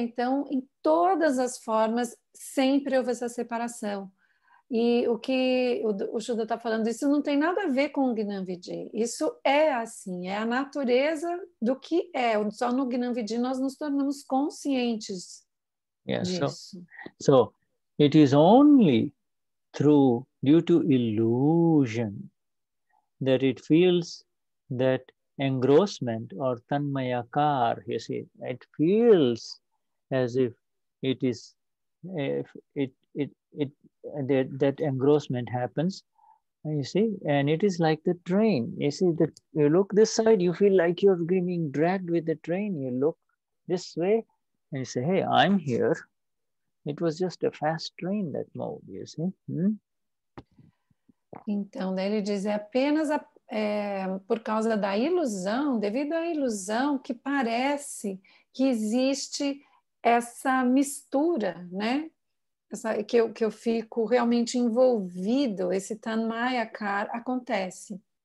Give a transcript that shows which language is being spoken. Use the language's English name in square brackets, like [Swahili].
[Portuguese] Então, em todas as formas, sempre houve essa separação. E o que o Shuddha está falando, isso não tem nada a ver com o Jnanvidhi. Isso é assim, é a natureza do que é. Só no Jnanvidhi nós nos tornamos conscientes disso. [English] So, it is only due to illusion that it feels that engrossment or tanmayakar, you see, it feels as if it is, if it that engrossment happens, you see, and it is like the train. You see, the you look this side, you feel like you're being dragged with the train. You look this way, and you say, "Hey, I'm here." It was just a fast train that moved. You see. [Portuguese] Então, daí ele diz, é apenas a, é, por causa da ilusão, devido à ilusão, que parece que existe essa mistura, né? Essa, que eu fico realmente envolvido, esse tanmayakar acontece.